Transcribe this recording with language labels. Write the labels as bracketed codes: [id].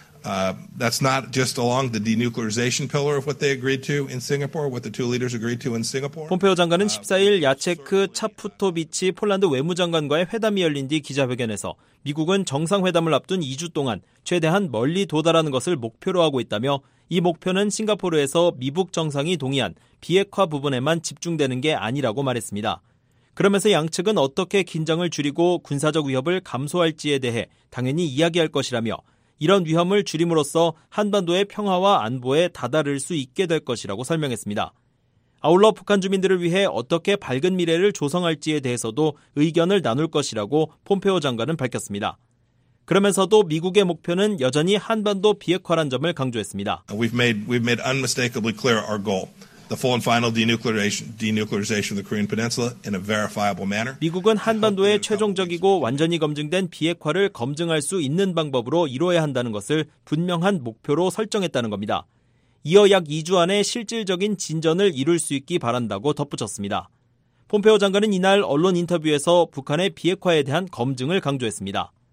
[en] That's not just along the denuclearization pillar of what they agreed to in Singapore, what the two leaders agreed to in Singapore. [ko] 폼페오 장관은 14일 야체크 차프토비치 폴란드 외무장관과의 회담이 열린 뒤 기자회견에서 미국은 정상회담을 앞둔 2주 동안 최대한 멀리 도달하는 것을 목표로 하고 있다며 이 목표는 싱가포르에서 미북 정상이 동의한 비핵화 부분에만 집중되는 게 아니라고 말했습니다. 그러면서 양측은 어떻게 긴장을 줄이고 군사적 위협을 감소할지에 대해 당연히 이야기할 것이라며 이런 위험을 줄임으로써 한반도의 평화와 안보에 다다를 수 있게 될 것이라고 설명했습니다. 아울러 북한 주민들을 위해 어떻게 밝은 미래를 조성할지에 대해서도 의견을 나눌 것이라고 폼페오 장관은 밝혔습니다. 그러면서도 미국의 목표는 여전히 한반도 비핵화란 점을 강조했습니다. [en] We've made unmistakably clear our goal. The full and final denuclearization of the Korean Peninsula in a verifiable manner. [ko] 미국은 한반도의 최종적이고 완전히 검증된 비핵화를 검증할 수 있는 방법으로 이뤄야 한다는 것을 분명한 목표로 설정했다는 겁니다. 이어 약 2주 안에 실질적인 진전을 이룰 수 있기 바란다고 덧붙였습니다. 폼페오 장관은 이날 언론 인터뷰에서 북한의 비핵화에 대한 검증을 강조했습니다.